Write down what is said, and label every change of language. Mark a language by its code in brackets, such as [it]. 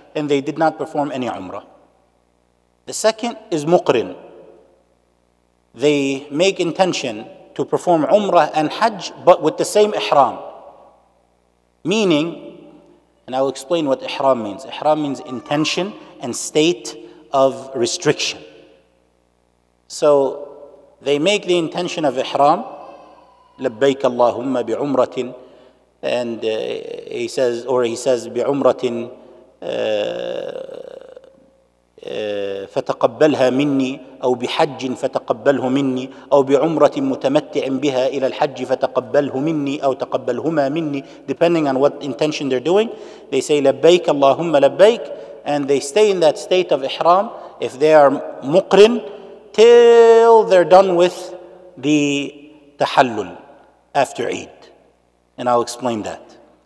[en] And they did not perform any Umrah. The second is muqrin. They make intention to perform umrah and hajj, but with the same ihram. Meaning, and I'll explain what ihram means. Ihram means intention and state of restriction. So they make the intention of ihram, [ar] labbaik Allahumma bi umratin, [en] and he says [ar] bi umratin, فتقبلها مني أو بحج فتقبله مني أو بعمرة متمتع بها إلى الحج فتقبله مني أو تقبلهما مني. [en] Depending on what intention they're doing, they say [ar] لبيك اللهم لبيك, [en] and they stay in that state of ihram if they are مقرن till they're done with the تحلل after Eid, and I'll explain that.